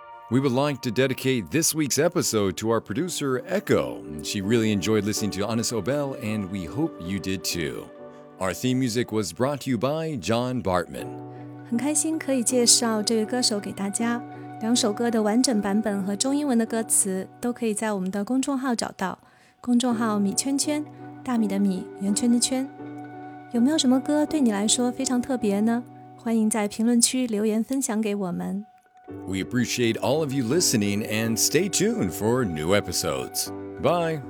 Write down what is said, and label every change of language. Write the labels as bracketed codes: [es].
[en] We would like to dedicate this week's episode to our producer, Echo. She really enjoyed listening to Anis Obel, and we hope you did too. Our theme music was brought to you by John Bartman. [zh] 很开心可以介绍这位歌手给大家。两首歌的完整版本和中英文的歌词都可以在我们的公众号找到。公众号米圈圈，大米的米，圆圈的圈。有没有什么歌对你来说非常特别呢？欢迎在评论区留言分享给我们。 [en] We appreciate all of you listening and stay tuned for new episodes. Bye.